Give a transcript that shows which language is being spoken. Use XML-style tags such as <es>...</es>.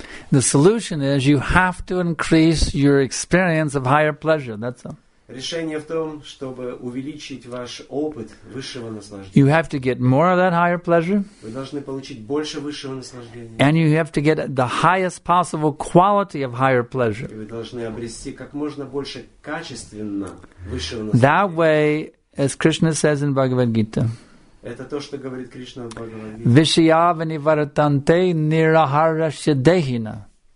<en>The solution is you have to increase your experience of higher pleasure. That's all.</en> <ru>Решение в том, чтобы увеличить ваш опыт высшего наслаждения.</ru> <en>You have to get more of that higher pleasure.</en> <ru>Вы должны получить больше высшего наслаждения.</ru> <en>And you have to get the highest possible quality of higher pleasure.</en> <ru>И вы должны обрести как можно больше качественно высшего наслаждения.</ru> <en>That way, as Krishna says in Bhagavad-gita.</en> <ru>Это то, что говорит Кришна в Бхагавад-гите.</ru> <sa>Вишьявани варатанте нирахараши дехина.</sa>